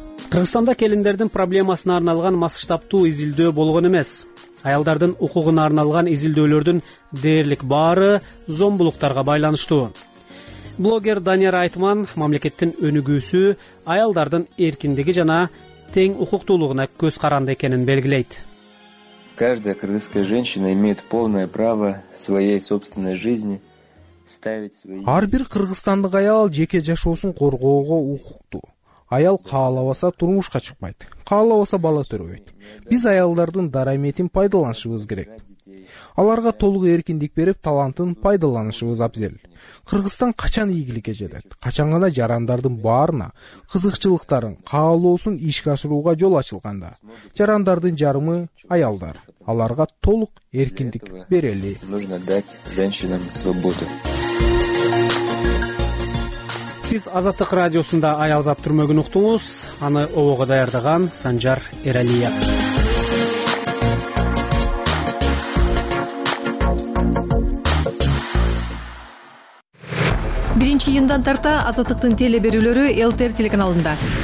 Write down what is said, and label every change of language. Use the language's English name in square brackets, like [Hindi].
[Kyrgyz] Кыргызстанда келиндердин проблемасына арналган масштабтуу изилдөө болгон эмес. Аялдардын укугуна арналган изилдөөлөрдүн дээрлик баары зомбулуктарга байланыштуу. Блогер Данияр Айтман мамлекеттин өнүгүүсү аялдардын эркиндиги жана тең укуктуулугуна көз каранды экенин белгилейт. [Russian] Каждая кыргызская женщина имеет полное право своей собственной жизни ставить свои. [Kyrgyz] Ар бир кыргызстандык аял жеке жашоосун коргоого укуктуу. Аял каалабаса турмушка чыкпайт, каалабаса бала төрөбөйт. Биз аялдардын дарамиетин пайдаланышыбыз керек. Аларга толук эркиндик берип, талантын пайдаланышыбыз абзел. Кыргызстан качан ийгиликке жетет? Качан гана жарандардын баарына кызыкчылыктарын, каалоосун ишке ашырууга жол ачылганда? Жарандардын жарымы аялдар. аларга толук эркиндик берели. [Russian] Нужно дать женщинам свободу. [Kyrgyz] Сиз Азаттык радиосунда аялзат түрмөгүн уктуңуз. Аны ООГ даярдаган Санжар Эралиев. Биринчи июндан тарта Азаттыктын теле берүүлөрү ЛТР телеканалында.